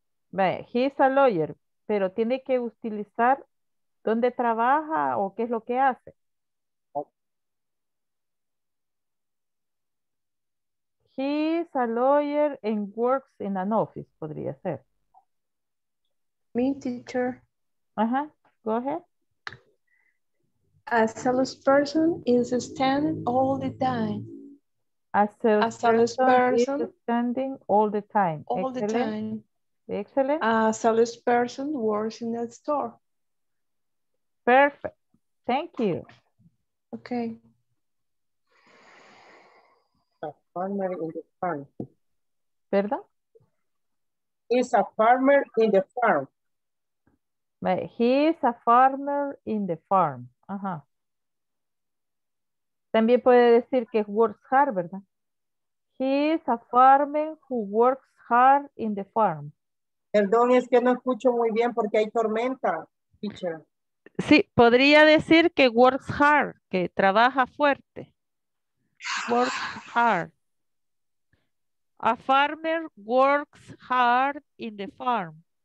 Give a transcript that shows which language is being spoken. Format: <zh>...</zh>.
<es>Ve,</es> <en>he's a lawyer,</en> <es>pero tiene que utilizar dónde trabaja o qué es lo que hace.</es> <en>He's a lawyer and works in an office,</en> <es>podría ser.</es> <en>Me, teacher. Ajá, go ahead. A salesperson is standing all the time. A salesperson is standing all the time. Excellent. A salesperson works in that store. Perfect. Thank you. Okay. Farmer in the farm.</en> <es>¿Verdad?</es> <en>Is a farmer in the farm. But he is a farmer in the farm. Ajá.</en> <es>También puede decir que</es> <en>works hard,</en> <es>¿verdad?</es> <en>He is a farmer who works hard in the farm.</en> <es>Perdón, es que no escucho muy bien porque hay tormenta, teacher. Sí, podría decir que</es> <en>works hard,</en> <es>que trabaja fuerte.</es> <en>Works hard. A farmer works hard in the farm.</en>